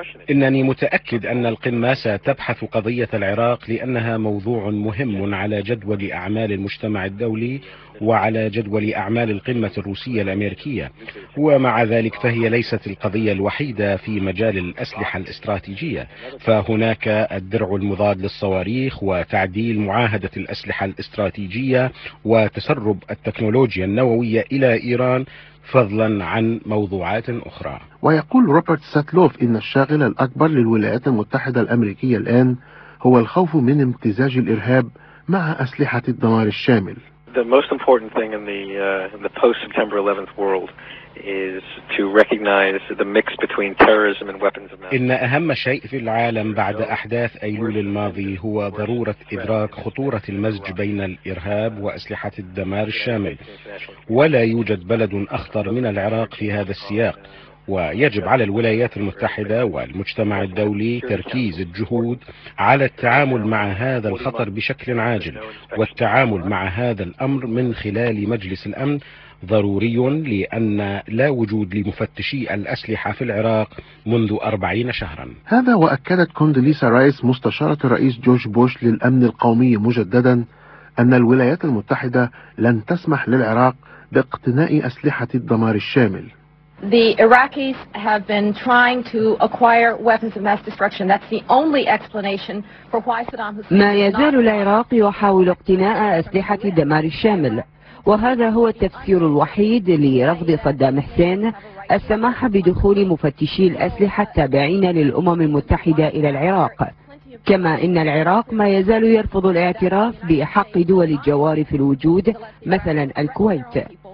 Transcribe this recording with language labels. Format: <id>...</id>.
<ar>إنني متأكد أن القمة ستبحث قضية العراق لأنها موضوع مهم على جدول أعمال المجتمع الدولي وعلى جدول أعمال القمة الروسية الأمريكية، ومع ذلك فهي ليست القضية الوحيدة في مجال الأسلحة الاستراتيجية، فهناك الدرع المضاد للصواريخ وتعديل معاهدة الأسلحة الاستراتيجية وتسرب التكنولوجيا النووية إلى إيران فضلا عن موضوعات أخرى. ويقول روبرت ساتلوف إن الشاغل الأكبر للولايات المتحدة الأمريكية الآن هو الخوف من امتزاج الإرهاب مع أسلحة الدمار الشامل.</ar> <en>The most important thing in the post September 11th world is to recognize the mix between terrorism and weapons of mass destruction.</en> <ar>إن أهم شيء في العالم بعد أحداث أيلول الماضي هو ضرورة إدراك خطورة المزج بين الإرهاب وأسلحة الدمار الشامل، ولا يوجد بلد أخطر من العراق في هذا السياق، ويجب على الولايات المتحدة والمجتمع الدولي تركيز الجهود على التعامل مع هذا الخطر بشكل عاجل، والتعامل مع هذا الأمر من خلال مجلس الأمن ضروري، لأن لا وجود لمفتشي الأسلحة في العراق منذ 40 شهرا. هذا وأكدت كوندليسا رايس مستشارة الرئيس جورج بوش للأمن القومي مجددا أن الولايات المتحدة لن تسمح للعراق باقتناء أسلحة الدمار الشامل.</ar> <en>The Iraqis have been trying to acquire weapons of mass destruction. That's the only explanation for why Saddam Hussein.</en> <ar>ما يزال العراق يحاول اقتناء أسلحة الدمار الشامل، وهذا هو التفسير الوحيد لرفض صدام حسين السماح بدخول مفتشي الأسلحة التابعين للأمم المتحدة إلى العراق. كما إن العراق ما يزال يرفض الاعتراف بحق دول الجوار في الوجود، مثلا الكويت.</ar>